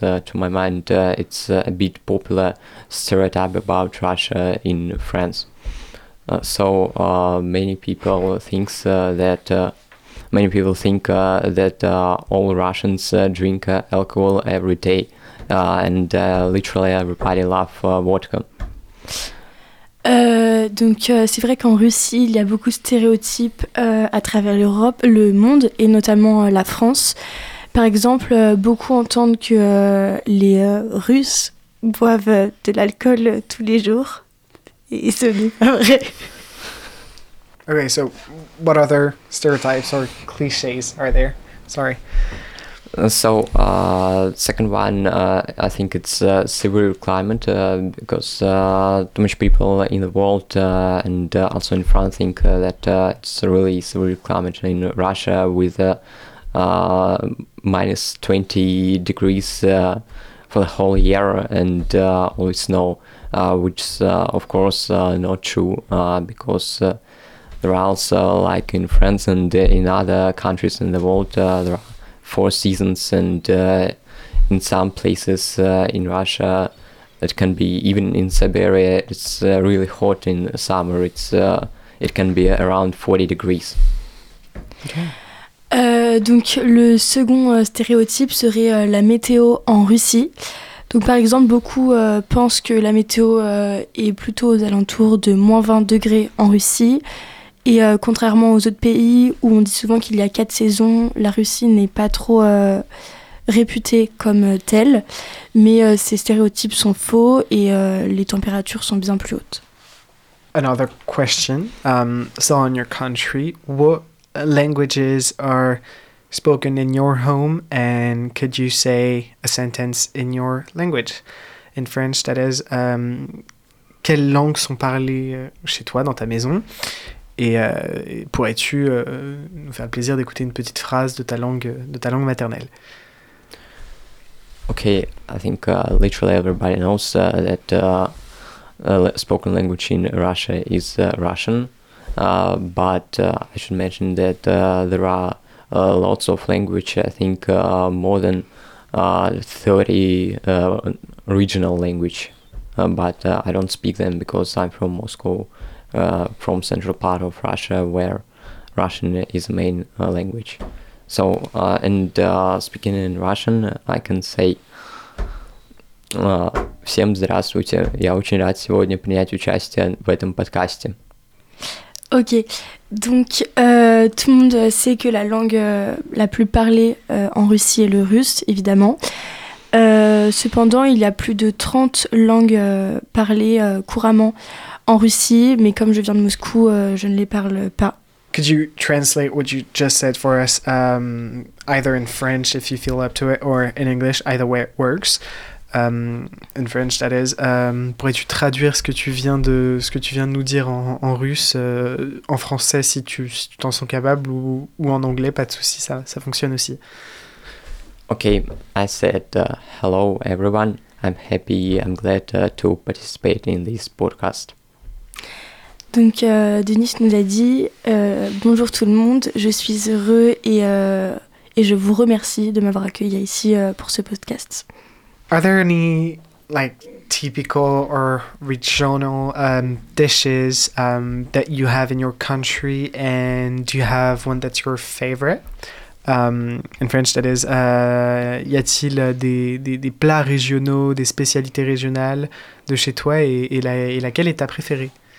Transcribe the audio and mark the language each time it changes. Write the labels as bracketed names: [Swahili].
[English] To my mind, it's a bit popular stereotype about Russia in France. Many people think that all Russians drink alcohol every day, and literally everybody loves vodka. [French] C'est vrai qu'en Russie, il y a beaucoup de stéréotypes à travers l'Europe, le monde, et notamment la France. Par exemple, beaucoup entendent que les Russes boivent de l'alcool tous les jours, et ce n'est pas vrai. [English] Okay, so what other stereotypes or clichés are there? Sorry. Second one, I think it's severe climate, because too much people in the world and also in France think that it's really severe climate in Russia with minus 20 degrees for the whole year and always snow, which is of course not true, because there are also, like in France and in other countries in the world, there are four seasons, and in some places in Russia, that can be even in Siberia, it's really hot in summer. It can be around 40 degrees. [French] Donc le second stéréotype serait la météo en Russie. Donc par exemple, beaucoup pensent que la météo est plutôt aux alentours de moins 20 degrés en Russie. Et contrairement aux autres pays où on dit souvent qu'il y a quatre saisons, la Russie n'est pas trop réputée comme telle. Mais ces stéréotypes sont faux et les températures sont bien plus hautes. [English] Another question. So on your country, what languages are spoken in your home and could you say a sentence in your language? In French, that is, [French] quelles langues sont parlées chez toi, dans ta maison? Et pourrais-tu nous faire le plaisir d'écouter une petite phrase de ta langue maternelle? [English] Okay, I think literally everybody knows that spoken language in Russia is Russian. But I should mention that there are lots of language. I think more than 30 regional language. But I don't speak them because I'm from Moscow. From central part of Russia, where Russian is the main language. So, and speaking in Russian, I can say [Russian] всем здравствуйте. Я очень рад сегодня принять участие в этом подкасте. [French] Ok, donc tout le monde sait que la langue la plus parlée en Russie est le russe, évidemment. Cependant, il y a plus de 30 langues parlées couramment en Russie, mais comme je viens de Moscou, je ne les parle pas. [English] Could you translate what you just said for us, either in French, if you feel up to it, or in English, either way it works, in French, that is. [French] Pourrais-tu traduire ce que tu viens de nous dire en russe, en français, si tu t'en sens capable, ou en anglais, pas de souci, ça fonctionne aussi. [English] Okay, I said hello everyone. I'm happy. I'm glad to participate in this podcast. [French] Donc Denis nous a dit bonjour tout le monde. Je suis heureux et je vous remercie de m'avoir accueilli ici pour ce podcast. [English] Are there any like typical or regional dishes that you have in your country, and do you have one that's your favorite? In French, that is, [French] y a-t-il des plats régionaux, des spécialités régionales de chez toi, et laquelle est ta préférée?